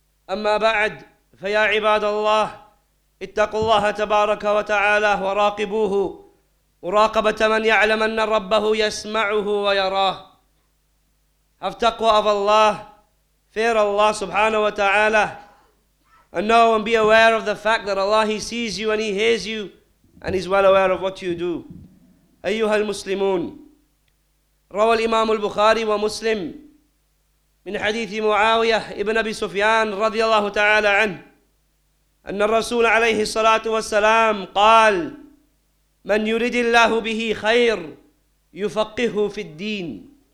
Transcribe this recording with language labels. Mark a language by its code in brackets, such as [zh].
[ar] أما بعد فيا عباد الله اتقوا الله تبارك وتعالى وراقبوه مراقبة من يعلم أن ربه يسمعه ويراه هف تقوى of الله [en] Fear Allah subhanahu wa ta'ala. And know and be aware of the fact that Allah, He sees you and He hears you and He's well aware of what you do. [ar] أيها المسلمون روى الإمام البخاري ومسلم من حديث معاوية ابن أبي سفيان رضي الله تعالى عنه أن الرسول عليه الصلاة والسلام قال من يريد الله به خير يفقهه في الدين.